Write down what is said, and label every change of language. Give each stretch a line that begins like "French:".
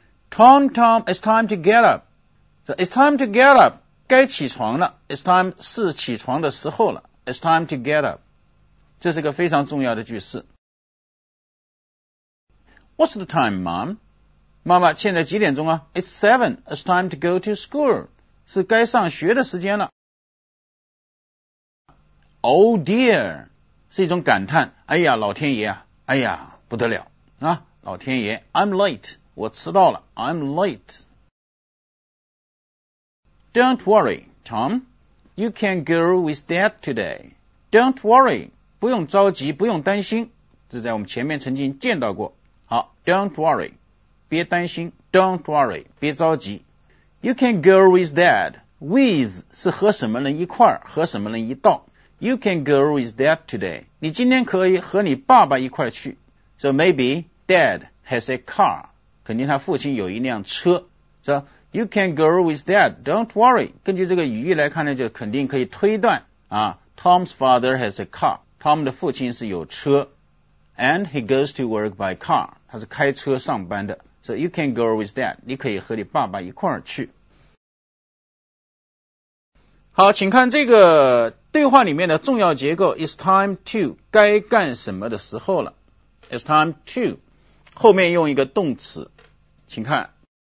English: Tom, Tom, it's time to get up. So it's time to get up.
Chinese: 该起床了。
English: It's time
Chinese: 是起床的时候了。
English: It's time to get up.
Chinese: 这是个非常重要的句式。
English: What's the time, Mom?
Chinese: 妈妈，现在几点钟啊？
English: It's 7. It's time to go to school.
Chinese: 是该上学的时间了。
English: Oh dear.
Chinese: 是一种感叹。哎呀，老天爷啊。哎呀，不得了。啊，老天爷。
English: I'm late.
Chinese: 我迟到了。
English: I'm late. Don't worry, Tom. You can go with Dad today. Don't worry.
Chinese: 不用着急，不用担心。这在我们前面曾经见到过。好，
English: Don't worry.
Chinese: 别担心。
English: Don't worry.
Chinese: 别着急。
English: You can go with Dad.
Chinese: With 是和什么人一块，和什么人一道。
English: You can go with Dad today.
Chinese: 你今天可以和你爸爸一块去。
English: So maybe Dad has a car.
Chinese: 肯定他父亲有一辆车。
English: So you can go with Dad. Don't worry.
Chinese: 根据这个语义来看呢，就肯定可以推断啊。
English: Tom's father has a car.
Chinese: Tom 的父亲是有车。
English: And he goes to work by car.
Chinese: 他是开车上班的。
English: So you can go with Dad.
Chinese: 你可以和你爸爸一块去。好，请看这个对话里面的重要结构
English: It's time to
Chinese: 该干什么的时候了
English: It's time to
Chinese: 后面用一个动词请看